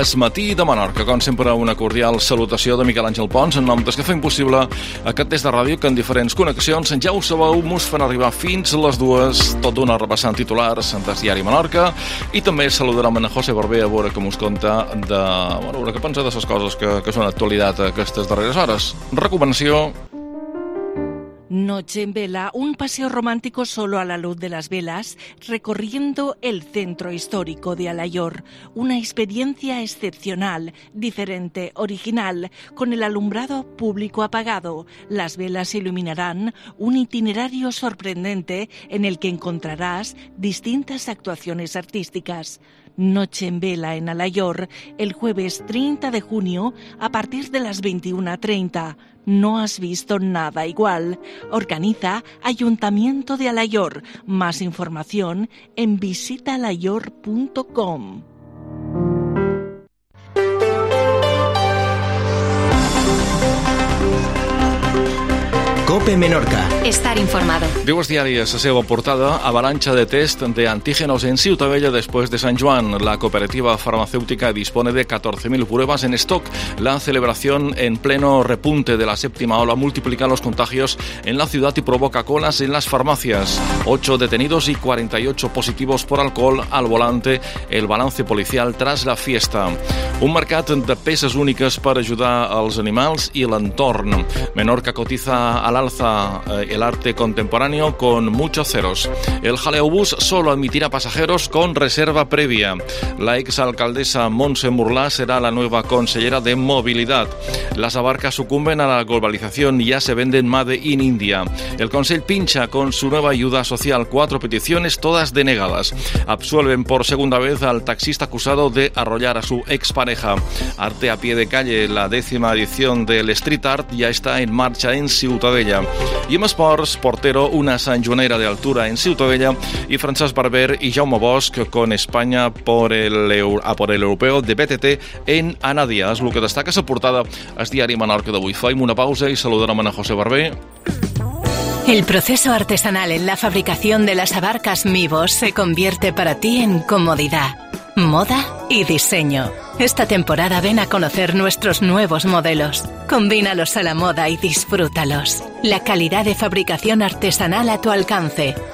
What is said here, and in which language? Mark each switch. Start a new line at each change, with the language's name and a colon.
Catalan: Es matí de Menorca. Com sempre, una cordial salutació de Miquel Àngel Pons en nom d'Escafé Impossible, aquest test de ràdio que en diferents connexions, ja ho sabeu, mos fan arribar fins a les dues, tot d'una repassant titulars en Diari Menorca. I també saludarem en José Barber a veure com us conta de... Bueno, a veure què pensa de les coses que són actualitat aquestes darreres hores. Recomanació...
Spanish: Noche en vela, un paseo romántico solo a la luz de las velas, recorriendo el centro histórico de Alaior. Una experiencia excepcional, diferente, original, con el alumbrado público apagado. Las velas iluminarán un itinerario sorprendente en el que encontrarás distintas actuaciones artísticas. Noche en vela en Alaior, el jueves 30 de junio a partir de las 21:30. No has visto nada igual. Organiza Ayuntamiento de Alaior. Más información en visitaalaior.com. COPE Menorca. Estar informado.
Catalan: Dues diàries, la seva portada, avalanxa de test de antígenos en Ciutadella després de Sant Joan.
Spanish: La cooperativa farmacèutica dispone de 14.000 pruebas en stock. La celebración en pleno repunte de la séptima ola multiplica los contagios en la ciudad y provoca colas en las farmacias. 8 detenidos y 48 positivos por alcohol al volante. El balance policial tras la fiesta.
Catalan: Un mercat de peces úniques per ajudar els animals i l'entorn.
Spanish: Menorca cotiza al alza el arte contemporáneo con muchos ceros. El Jaleobús solo admitirá pasajeros con reserva previa. La exalcaldesa Montse Murlà será la nueva consellera de movilidad. Las abarcas sucumben a la globalización y ya se venden Made in India. El Consell pincha con su nueva ayuda social 4 peticiones, todas denegadas. Absuelven por segunda vez al taxista acusado de arrollar a su expareja. Arte a pie de calle, la décima edición del Street Art ya está en marcha en Ciutat Vella.
Catalan: I en esports, portero, una santjonera d'altura en Ciutadella i Francesc Barber i Jaume Bosch
Spanish: con España por el europeo de BTT en Anadia.
Catalan: És el que destaca la portada al Diari Menorca d'avui. Faim una pausa i saludarem a José Barber.
Spanish: El proceso artesanal en la fabricación de las abarcas Mibos se convierte para ti en comodidad, moda y diseño. Esta temporada ven a conocer nuestros nuevos modelos. Combínalos a la moda y disfrútalos. La calidad de fabricación artesanal a tu alcance.